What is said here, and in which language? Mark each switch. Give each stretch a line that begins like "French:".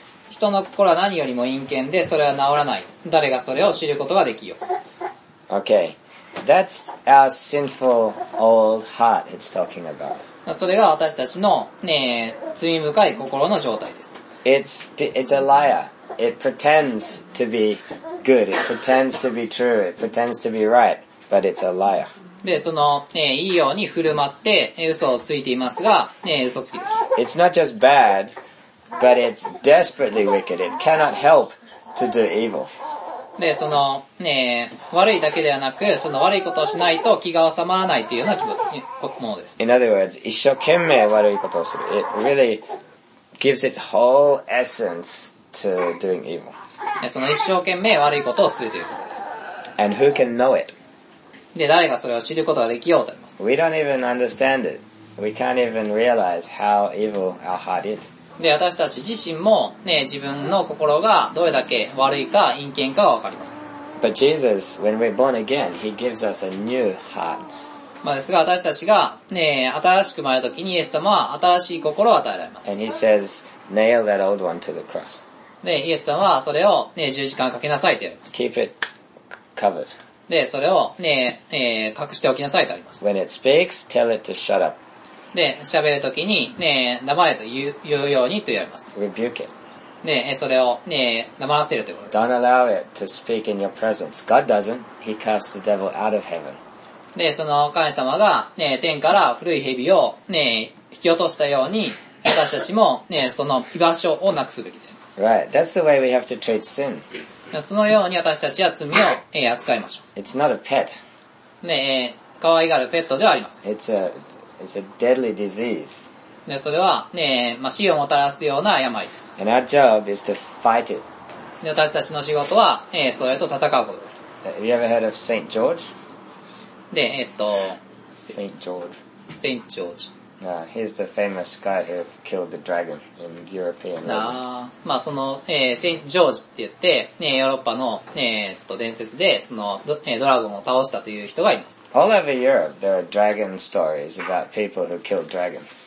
Japanese: 人の心は何よりも陰険で、それは治らない。誰がそれを知ることができよう。
English: Okay, that's our sinful old heart it's talking about.
Japanese: それが私たちの、罪深い心の状態です。
English: It's a liar. It pretends to be good. It pretends to be true. It pretends to be right. But it's a liar.
Japanese: で、その、いいように振る舞って、嘘をついていますが、嘘つきです。
English: It's not just bad, but it's desperately wicked. It cannot help to do evil.
Japanese: で、その、悪いだけではなく、その悪いことをしないと気が収まらないというような気持ちものです。
English: In other words,
Japanese: 一生懸命悪いことをする。
English: It really gives its whole essence to doing evil.
Japanese: で、その一生懸命悪いことをするということです。
English: And who can know it?
Japanese: で、誰がそれを知ることができようとあります。
English: We don't even understand it. We can't even realize how evil our heart is.
Japanese: で、私たち自身も、自分の心がどれだけ悪いか陰険かわかります。
English: But Jesus, when we're born again, He gives us a new heart.
Japanese: まあですが、私たちが、新しく生まれた時にイエス様は新しい心を与えられます。
English: And He says, nail that old one to the cross.
Japanese: で、イエス様はそれを、十字架にかけなさいと言います。
English: Keep it covered.
Japanese: で、それを、隠しておきなさいとあります。
English: When it speaks, tell it to shut up.
Japanese: で、喋るときに、黙れと言うようにと言われます。
English: Rebuke it.
Japanese: で、それを、黙らせるということです。
English: Don't allow it to speak in your presence. God doesn't. He casts the devil out of heaven.
Japanese: で、その神様が、天から古い蛇を、引き落としたように、私たちも、その居場所をなくすべきです。
English: Right. That's the way we have to treat sin.
Japanese: そのように私たちは罪を、扱いましょう。
English: It's not a pet.
Japanese: で、可愛がるペットではあります。
English: It's a deadly disease.
Japanese: で、それは、まあ、死をもたらすような病です。
English: And our job is to fight it.
Japanese: で、私たちの仕事は、それと戦うことです。
English: Have you ever heard of Saint George? で、 Saint George. Saint George. He's the famous guy who killed the dragon in European legend.
Japanese: まあ、その、Saint George って言って、ヨーロッパの、伝説で、その、ドラゴンを倒したという人がいます。
English: All over Europe, there are dragon stories about people who killed dragons.